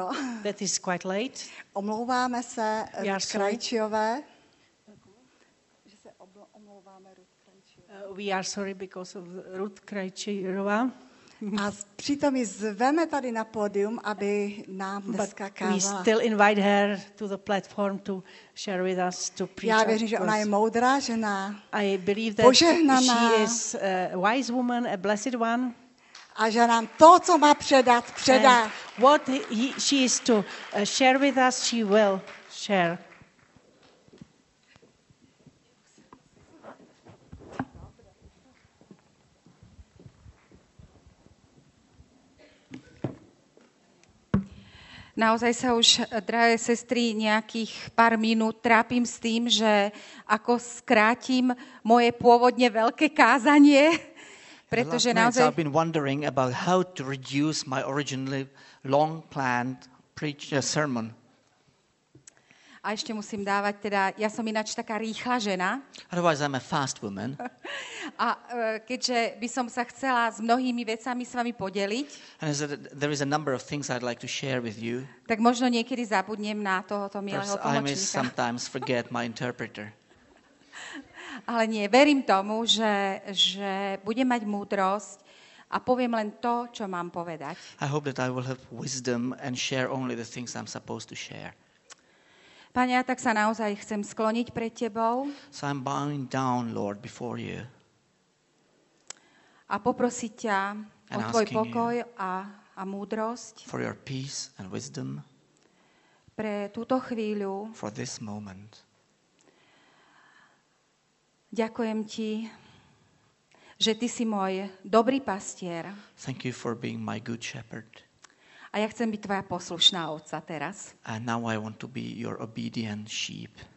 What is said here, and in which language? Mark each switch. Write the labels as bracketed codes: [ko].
[en] No, that is quite late. [cs] Omlouváme se Ruth Krajčíové. Že se omlouváme Ruth [en] Krajčíové. We are sorry because of Ruth Krajčíová. [cs] A přitom ji zveme tady na pódium, aby nám dneska kázala. [en] We still invite her to the platform to share with us to preach. [cs] Já věřím, že ona je moudrá žena. [en] I believe that [cs] požehnaná. [en] She is a wise woman, a blessed one. [cs] A že nám to, co má předat, předá. [en] What she is to share with us, she will share. [sk] Naozaj sa už, drahé sestry, nejakých pár minút trápim s tým, že ako skrátim moje pôvodne veľké kázanie. Pretože naozaj [en] I've been wondering about how to reduce my originally long planned preacher sermon. [sk] A ešte musím dávať teda, ja som ináč taká rýchla žena. [en] Otherwise I'm a fast woman. [sk] A keďže by som sa chcela s mnohými vecami s vami podeliť. [en] And there is a number of things I'd like to share with you. [sk] Tak možno niekedy zabudnem na tohoto milého tlmočníka. [en] I may sometimes forget my interpreter. [sk] Ale nie, verím tomu, že budem mať múdrosť a poviem len to, čo mám povedať. [en] I hope that I will have wisdom and share only the things I'm supposed to share. [sk] Pane, ja tak sa naozaj chcem skloniť pred tebou. [en] So I'm bowing down, Lord, before you. [sk] A poprosiť ťa o tvoj pokoj a múdrosť. [en] For your peace and wisdom. [sk] Pre túto chvíľu. [en] For this moment. [sk] Ďakujem ti, že ty si môj dobrý pastier. [en] Thank you for being my good shepherd. [sk] A ja chcem byť tvoja poslušná ovca teraz. [en] And now I want to be your obedient sheep.